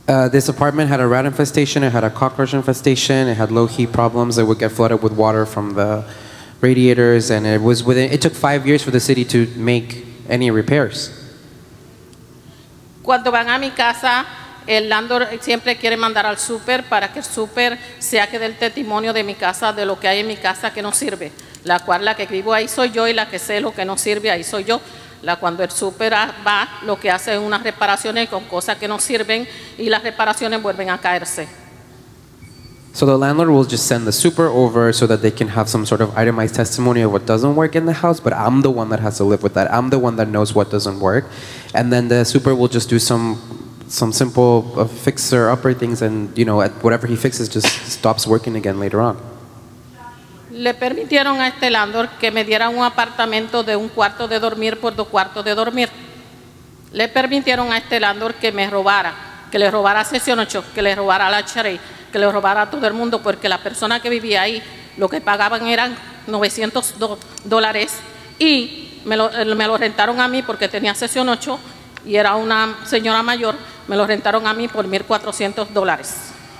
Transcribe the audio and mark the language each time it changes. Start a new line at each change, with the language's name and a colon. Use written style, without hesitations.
English: This apartment had a rat infestation, it had a cockroach infestation, it had low heat problems, it would get flooded with water from the radiators, and it was within, it took 5 years for the city to make any repairs.
Spanish: Cuando van a mi casa, el landlord siempre quiere mandar al super para que el super sea que dé el testimonio de mi casa, de lo que hay en mi casa que no sirve. La cual, la que vivo ahí soy yo, y la que sé lo que no sirve, ahí soy yo. La cuando el súper va, lo que hace es unas reparaciones con cosas que no sirven y las reparaciones vuelven a caerse.
English: So the landlord will just send the super over so that they can have some sort of itemized testimony of what doesn't work in the house, but I'm the one that has to live with that. I'm the one that knows what doesn't work. And then the super will just do some simple fixer upper things, and you know, whatever he fixes just stops working again later on.
Spanish: Le permitieron a este landlord que me diera un apartamento de un cuarto de dormir por 2 cuartos de dormir. Le permitieron a este landlord que me robara, que le robara Sección 8, que le robara la HRA, que le robara a todo el mundo, porque la persona que vivía ahí, lo que pagaban eran $900, y me lo rentaron a mí porque tenía Sección 8 y era una señora mayor, me lo rentaron a mí por $1,490.